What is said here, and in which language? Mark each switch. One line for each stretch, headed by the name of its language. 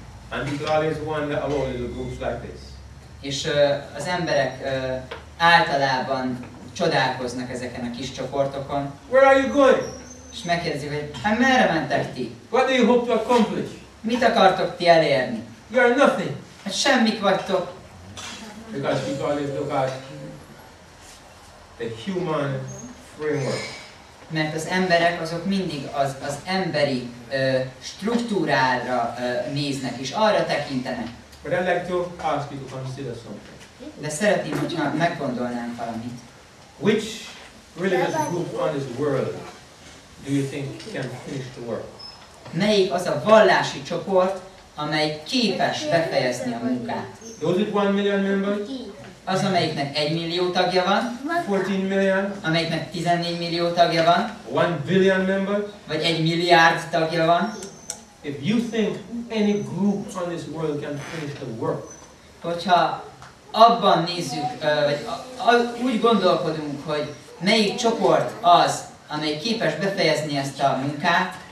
English: And people always wonder about little groups like this.
Hungarian: És az emberek általában csodálkoznak ezeken a kis csoportokon.
English: Where are you going?
Hungarian: És megkérdezik, hogy hát merre mentek ti?
English: What do you hope to accomplish?
Hungarian: Mit akartok ti elérni?
English: You are nothing.
Hungarian: Hát semmik vagytok.
English: Because people always look at the human framework.
Hungarian: Mert az emberek azok mindig az emberi struktúrára néznek, és arra tekintenek.
English: But I'd like to ask you to consider something.
Hungarian: De szeretném, hogyha meggondolnánk valamit.
English: Which religious group on this world do you think can finish the work?
Hungarian: Melyik az a vallási csoport, amely képes befejezni a munkát?
English: Those with 1 million members?
Hungarian: Az, amelyiknek 1 millió tagja van,
English: 14 million,
Hungarian: amelyiknek 14 millió tagja van,
English: 1 billion members,
Hungarian: vagy 1 milliárd tagja van.
English: If you think any group on this world can finish the work,
Hungarian: hogyha abban nézzük, vagy úgy gondolkodunk, hogy melyik csoport az, amely képes befejezni ezt a munkát,